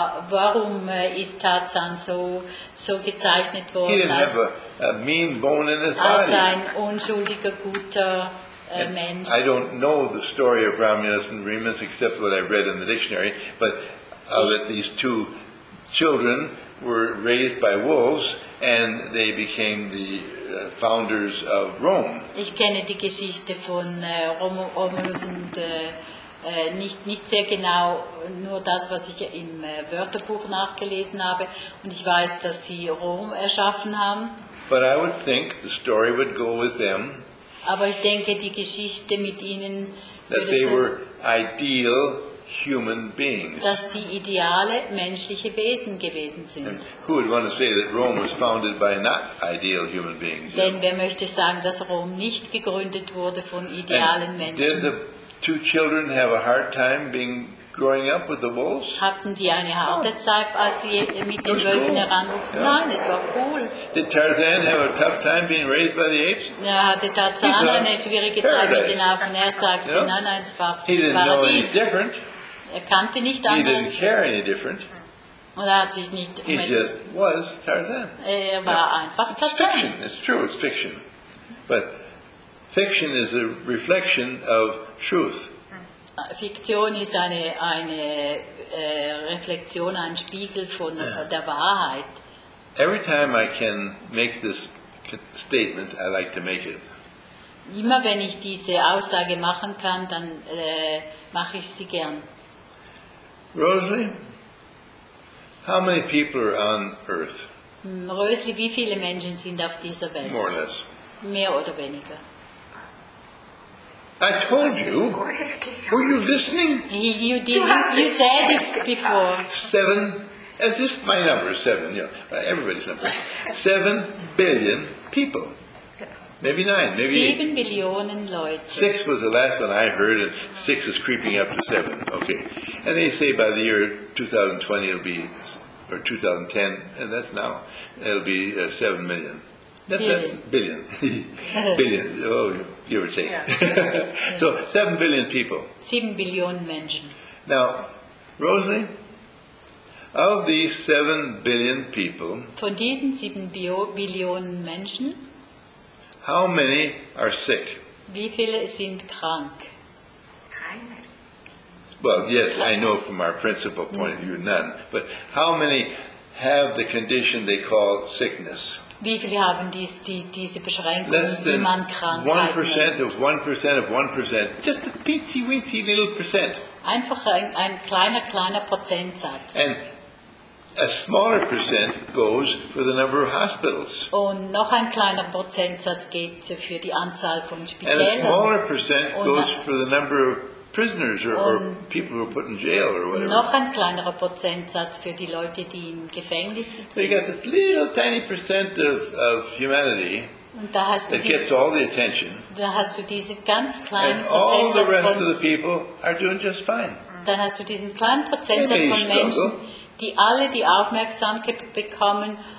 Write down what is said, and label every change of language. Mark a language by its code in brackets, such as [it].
[de] Warum ist Tarzan so gezeichnet worden? [en] He didn't have a mean bone in his [de] als [en] body. [de] Als ein unschuldiger, guter Mensch. [en] I don't know the story of Romulus and Remus except what I read in the dictionary, but that these two children were raised by wolves and they became the founders of Rome. [de] Ich kenne die Geschichte von Romulus und nicht sehr genau, nur das, was ich im Wörterbuch nachgelesen habe, und ich weiß, dass sie Rom erschaffen haben. [en] But I would think the story would go with them. [de] Aber ich denke, die Geschichte mit ihnen [en] that they were ideal human beings. [de] Dass sie ideale menschliche Wesen gewesen sind. [en] And who would want to say that Rome was founded by not ideal human beings? [de] Denn wer möchte sagen, dass Rom nicht gegründet wurde von idealen Menschen? [en] Did the two children have a hard time being growing up with the wolves? [de] Hatten die eine harte Zeit, als sie mit den Wölfen heranwuchsen? [en] Yeah. [de] Nein, es war cool. [en] Did Tarzan have a tough time being raised by the apes? [de] Ja, hatte Tarzan eine schwierige Zeit mit den Affen? Er sagte, [en] yeah. [de] Nein, es war [en] he didn't [de] Paradies. [en] Know any different. [de] Er kannte nicht anders. [en] He didn't care any different. [de] Und er hat sich nicht [en] he just was Tarzan. [de] Er war [en] yeah. [de] einfach Tarzan. [en] It's fiction. It's true. It's fiction. But fiction is a reflection of truth. [de] Fiktion ist eine Reflexion, ein Spiegel von der Wahrheit. [en] Every time I can make this statement, I like to make it. [de] Immer wenn ich diese Aussage machen kann, dann mache ich sie gern. [en] Rosalie, how many people are on Earth? [de] Rosalie, wie viele Menschen sind auf dieser Welt? [en] More or less. [de] Mehr oder weniger. [en] I told you. Were you listening? You did. You said it before. 7. As this, my number is 7. You know, everybody's number. 7 billion people. Maybe 9. Maybe [de] 8. 7 billionen Leute. [en] 6 was the last one I heard, and 6 is creeping up to 7. Okay. And they say by the year 2020 it'll be, or 2010, and that's now, it'll be 7 million. That's billion. Billion. Oh, you were saying. So, 7 billion people. [de] 7 billion Menschen. [en] Now, Rosalie, of these 7 billion people, [de] von diesen 7 Billionen Menschen, [en] how many are sick? [de] Wie viele sind krank? [en] Well, yes, I know from our principal point of view, none. But how many have the condition they call sickness? [de] Wie viele haben diese Beschränkung, wie man krank nennt? [en] Less than 1% of 1% of 1%. Just a teensy-weensy little percent. [de] Einfach ein kleiner Prozentsatz. [en] And a smaller percent goes for the number of hospitals. [de] Und noch ein kleiner Prozentsatz geht für die Anzahl von Spitälern. [en] And a smaller percent goes for the number of prisoners or people who are put in jail or whatever. [de] Noch ein kleinerer Prozentsatz für die Leute, die im Gefängnis sind. [en] So you got this little tiny percent of humanity that gets all the attention. [de] Da hast du diese ganz kleinen Prozentsatz. [en] And all the rest of the people are doing just fine. [de] Dann hast du diesen kleinen Prozentsatz von Menschen, die alle die Aufmerksamkeit bekommen.